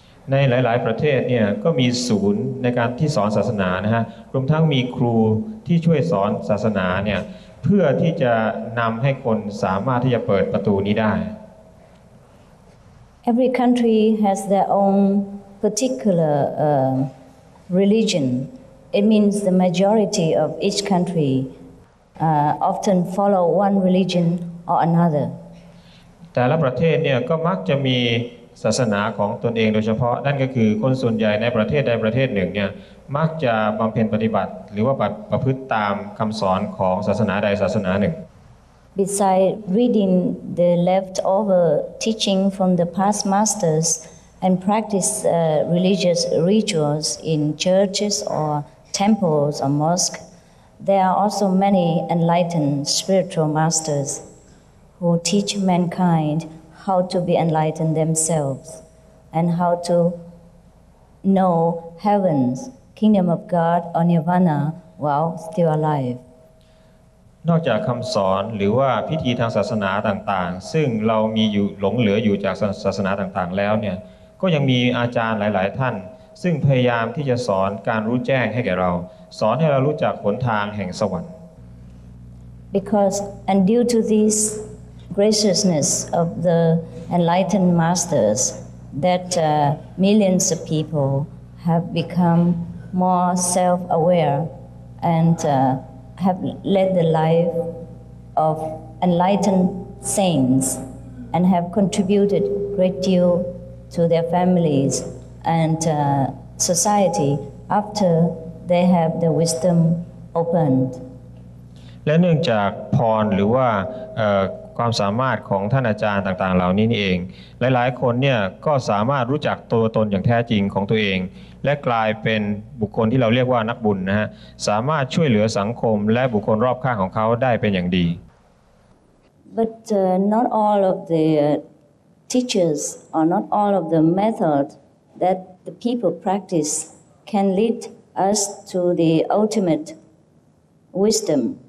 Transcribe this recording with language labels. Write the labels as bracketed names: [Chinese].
[Thai] ในหลายๆประเทศเนี่ยก็มีศูนย์ในการที่สอนศาสนานะฮะรวมทั้งมีครูที่ช่วยสอนศาสนาเนี่ยเพื่อที่จะนำให้คนสามารถที่จะเปิดประตูนี้ได้ [English] Every country has their own particular religionIt means the majority of each country often follow one religion or another. [Thai] แต่ละประเทศเนี่ยก็มักจะมีศาสนาของตนเองโดยเฉพาะนั่นก็คือคนส่วนใหญ่ในประเทศใดประเทศหนึ่งเนี่ยมักจะบำเพ็ญปฏิบัติหรือว่าประพฤติตามคำสอนของศาสนาใดศาสนาหนึ่ง [English] Besides reading the leftover teaching from the past masters. And practice religious rituals in churches or temples or mosques. There are also many enlightened spiritual masters who teach mankind how to be enlightened themselves and how to know heaven's kingdom of God or Nirvana while still alive. [Thai] นอกจากคำสอนหรือว่าพิธีทางศาสนาต่างๆซึ่งเรามีอยู่หลงเหลืออยู่จากศาสนาต่างๆแล้วเนี่ยก็ยังมีอาจารย์หลายๆท่านซึ่งพยายามที่จะสอนการรู้แจ้งให้แก่เราสอนให้เรารู้จักหนทางแห่งสวรรค์ [English] Because and due to this graciousness of the enlightened masters that millions of people have become more self-aware and have led the life of enlightened saints and have contributed great dealto their families and society after they have the wisdom opened [Thai] และเนื่องจากพรหรือว่าความสามารถของท่านอาจารย์ต่างๆเหล่านี้นี่เองหลายๆคนเนี่ยก็สามารถรู้จักตัวตนอย่างแท้จริงของตัวเองและกลายเป็นบุคคลที่เราเรียกว่านักบุญนะฮะสามารถช่วยเหลือสังคมและบุคคลรอบข้างของเขาได้เป็นอย่างดี [English] but not all of theTeachers are not all of the methods that the people practice can lead us to the ultimate wisdom.